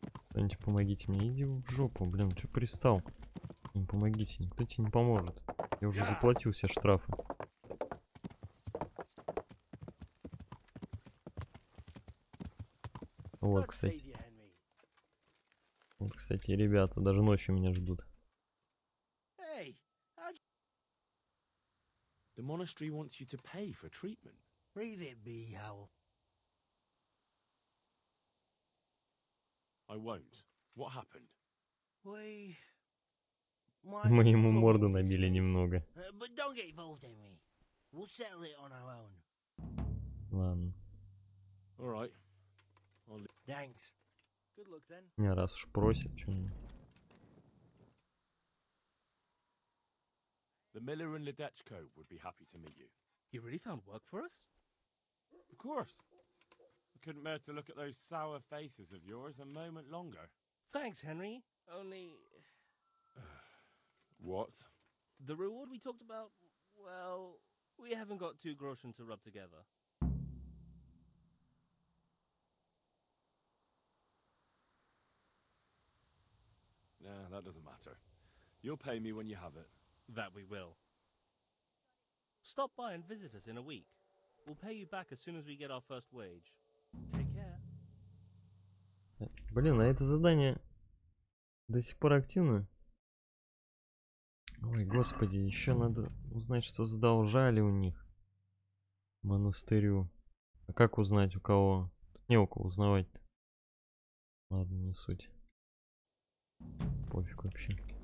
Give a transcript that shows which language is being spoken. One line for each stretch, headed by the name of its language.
Russian: Кто-нибудь помогите мне, иди в жопу, блин, чё пристал? Не помогите, никто тебе не поможет. Я уже заплатил все штрафы. Вот, кстати. Вот, кстати, ребята, даже ночью меня ждут.
English: The monastery wants you to pay for treatment. Leave it be, Howl. I won't. What happened? We...
Russian: Мы ему морду набили немного.
English: But don't get involved in me. We'll settle it on our own.
Russian: Ладно.
English: All right. Thanks. Good luck then.
Russian: Не, раз уж просит, что-нибудь.
English: The Miller and Ledechko would be happy to meet you. You really found work for us? Of course. I couldn't bear to look at those sour faces of yours a moment longer. Thanks, Henry. Only... What? The reward we talked about, well, we haven't got two groschen to rub together. Nah, that doesn't matter. You'll pay me when you have it. That we will. Stop by and visit us in a week. We'll pay you back as soon as we get our first wage. Take care.
Russian: Блин, а это задание до сих пор активно? Ой, господи, еще надо узнать, что задолжали у них монастырю. А как узнать, у кого? Тут не у кого узнавать-то. Ладно, не суть. Пофиг вообще.